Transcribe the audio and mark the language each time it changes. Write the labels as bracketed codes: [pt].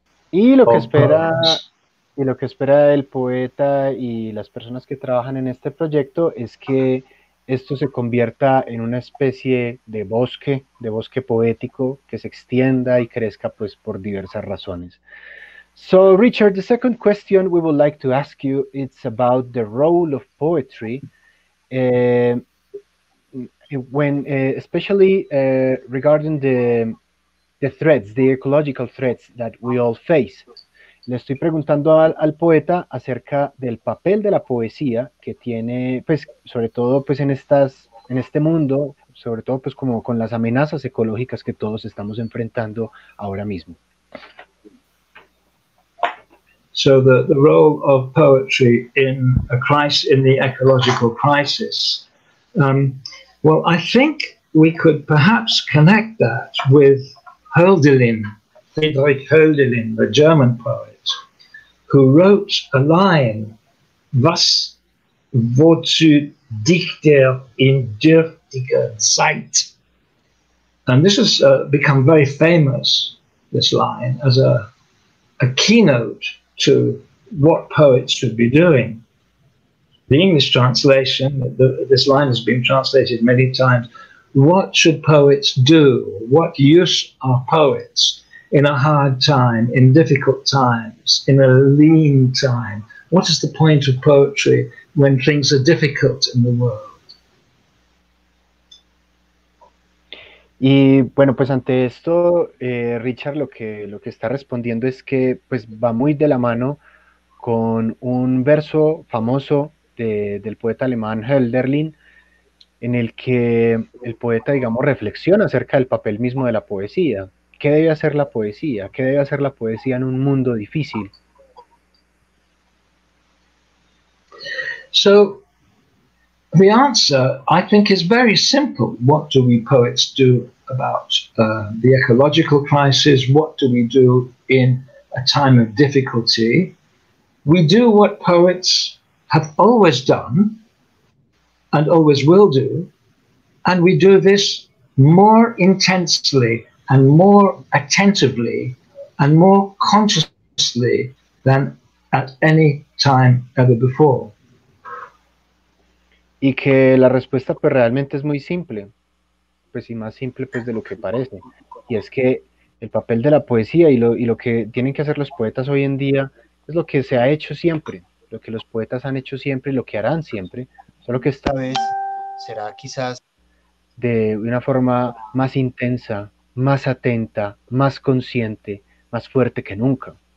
[es] Y lo que espera el poeta y las personas que trabajan en este proyecto es que esto se convierta en una especie de bosque poético que se extienda y crezca pues por diversas razones. [en] So Richard, the second question we would like to ask you, it's about the role of poetry. Regarding the threats, the ecological threats that we all face. Le estoy preguntando al poeta acerca del papel de la poesía que tiene, pues, sobre todo, pues, en este mundo, sobre todo, pues, como con las amenazas ecológicas que todos estamos enfrentando ahora mismo. So the role of poetry in a crisis, in the ecological crisis. Well, I think we could perhaps connect that with Hölderlin, Friedrich Hölderlin, the German poet, who wrote a line, [de] Was wozu dichter in dürftiger Zeit? [en] And this has become very famous, this line, as a keynote to what poets should be doing. The English translation, this line has been translated many times, what should poets do? What use are poets in a hard time, in difficult times, in a lean time? What is the point of poetry when things are difficult in the world? [es] Y bueno, pues ante esto, Richard, lo que está respondiendo es que pues va muy de la mano con un verso famoso del poeta alemán Hölderlin, en el que el poeta, digamos, reflexiona acerca del papel mismo de la poesía. ¿Qué debe hacer la poesía? ¿Qué debe hacer la poesía en un mundo difícil? [en] So, the answer, I think, is very simple. What do we poets do about the ecological crisis? What do we do in a time of difficulty? We do what poets have always done and always will do, and we do this more intensely and more attentively and more consciously than at any time ever before. [es] Y que la respuesta pues realmente es muy simple, pues y más simple pues de lo que parece, y es que el papel de la poesía y lo que tienen que hacer los poetas hoy en día es lo que se ha hecho siempre, lo que los poetas han hecho siempre y lo que harán siempre, solo que esta vez será quizás de una forma más intensa, más atenta, más consciente, más fuerte que nunca.